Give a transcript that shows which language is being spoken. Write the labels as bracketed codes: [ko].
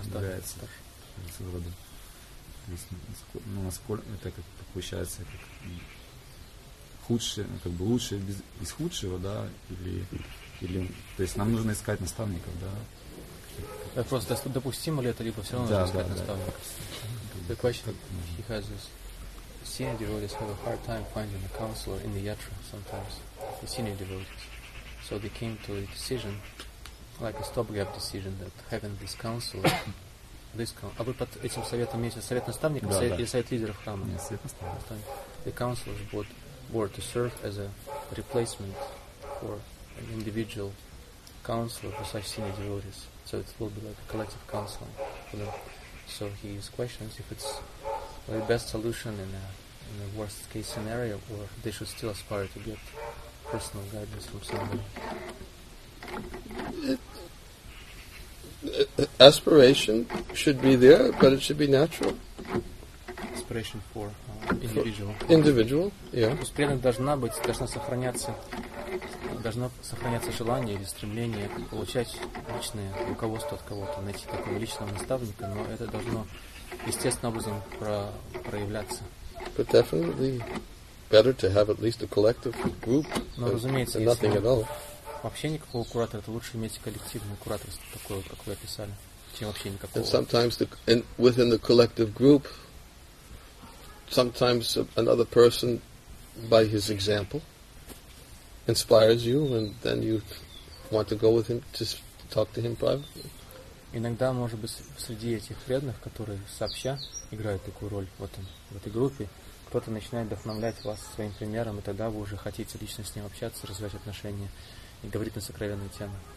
[ru] Да, является своего рода. То есть, ну, насколько это как получается, как худшее, как бы лучшее из худшего, да, или, то есть нам нужно искать наставников, да? Вопрос, допустимо ли это, либо все равно нужно искать наставников? [en] The question, he has this. Senior devotees have a hard time finding a counselor in the yatra sometimes, the senior devotees. So they came to a decision, like a stopgap decision, that having this counselor, this counselor. [ru] А вы под этим советом имеете совет наставников или совет лидеров храма? Нет, совет наставников. [en] The counselors were to serve as a replacement for an individual counselor for such senior devotees. So it will be like a collective counseling for them. So his question is if it's the best solution in a worst case scenario, or they should still aspire to get personal guidance from somebody. Aspiration should be there, but it should be natural. Aspiration for individual. Individual, yeah. [ru] Успешность должна быть, должна сохраняться. Должно сохраняться желание или стремление получать личное руководство от кого-то, найти такого личного наставника, но это должно естественным образом проявляться. [en] But definitely better to have at least a collective group. [ru] Но, разумеется, [en] nothing at all. [ru] Вообще никакого куратора, это лучше иметь коллективное кураторство такое, как вы описали, чем вообще никакого. [en] And sometimes within the collective group, sometimes another person by his example inspires you, and then you want to go with him to talk to him privately. [ru] Иногда, может быть, среди этих преданных, которые сообща играют такую роль в этом, в этой группе, кто-то начинает вдохновлять вас своим примером, и тогда вы уже хотите лично с ним общаться, развивать отношения и говорить на сокровенные темы.